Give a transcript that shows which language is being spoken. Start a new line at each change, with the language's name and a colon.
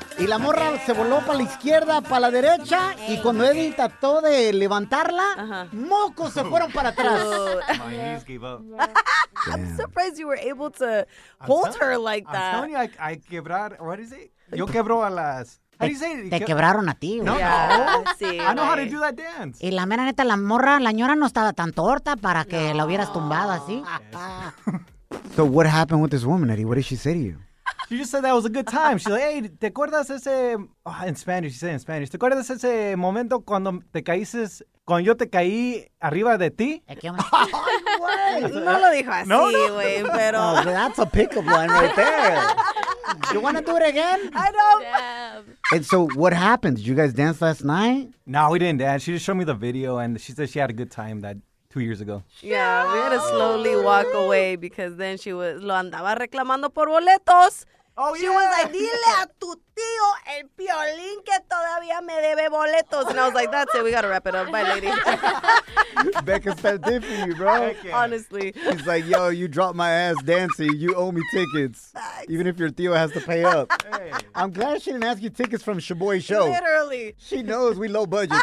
Spanish: Y la morra se voló para la izquierda, para la derecha. Y cuando Eddie trató de levantarla, mocos se fueron para atrás.
English: My knees gave up. Yeah. I'm surprised you were able to hold her like that. I'm telling you, I quebrar, what is it?
Spanish: Yo quebró a las...
English: How do you say it?
Spanish: Te quebraron a ti, güey. No,
English: sí, I know how to do that dance.
Spanish: Y la mera neta, la morra, la ñora no estaba tan torta para que la hubieras tumbado así.
English: Yes. So what happened with this woman, Eddie? What did she say to you? She just said that was a good time. She's like, hey,
Spanish: ¿te acuerdas ese...
English: Oh, in Spanish, she said in Spanish.
Spanish: ¿Te acuerdas ese momento cuando te caíste... Cuando yo te caí arriba de ti? Aquí, ¡ay, güey! No lo dijo así, güey, pero...
English: Oh, so that's a pick-up line right there. You want to do it again? I know. Yeah. And so what happened? Did you guys dance last night? No, we didn't dance. She just showed me the video, and she said she had a good time that 2 years ago. Yeah, we had to slowly walk away because then she was...
Spanish: Lo andaba reclamando por boletos.
English: Oh, she was like,
Spanish: dile a tu tío el Piolín que todavía me debe boletos.
English: And I was like, that's it. We got to wrap it up. Bye, lady. Becca stepped in for you, bro. Okay. Honestly. He's like, yo, you dropped my ass dancing. You owe me tickets. Thanks. Even if your tío has to pay up. Hey. I'm glad she didn't ask you tickets from ShaBoy Show. Literally. She knows we low budget.